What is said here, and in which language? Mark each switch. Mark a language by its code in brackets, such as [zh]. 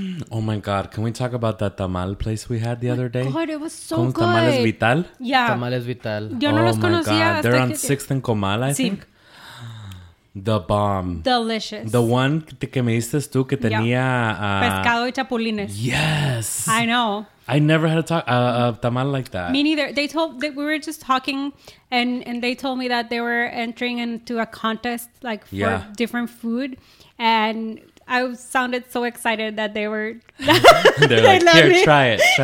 [en] Oh my God, can we talk about that tamal place we had the other day? God, it was so good. Tamales Vital? Yeah. Tamales Vital. [es] Yo no los conocía. [en] Oh my God, they're on 6th and Comal, I think. The bomb. Delicious. [es] The one que me diste tú que tenía... Pescado y chapulines. [en] Yes. I know. I never had a tamal like that. Me neither. We were just talking and they told me that they were entering into a contest like for different food. And I sounded so excited that they were... they're like, try it.